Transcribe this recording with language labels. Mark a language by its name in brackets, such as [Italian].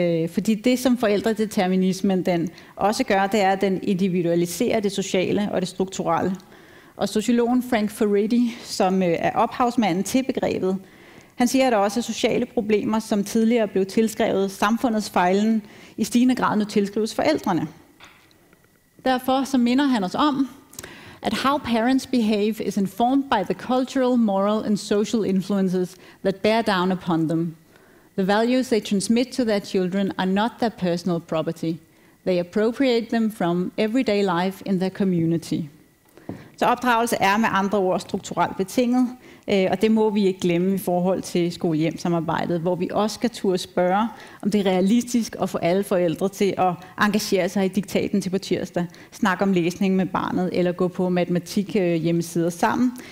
[Danish] Fordi det, som forældredeterminismen den også gør, det er, at den individualiserer det sociale og det strukturelle. Og sociologen Frank Furedi, som er ophavsmanden til begrebet, han siger, at der også er sociale problemer, som tidligere blev tilskrevet samfundets fejlen, i stigende grad nu tilskrives forældrene. Derfor så minder han os om, at [English] how parents behave is informed by the cultural, moral and social influences that bear down upon them. The values they transmit to their children are not their personal property. They appropriate them from everyday life in their community. [Danish] Så opdragelse er med andre ord strukturelt betinget, og det må vi ikke glemme i forhold til skole-hjem-samarbejdet, hvor vi også skal turde spørge, om det er realistisk at få alle forældre til at engagere sig i diktaten til på tirsdag, snakke om læsning med barnet eller gå på matematik-hjemmesider sammen,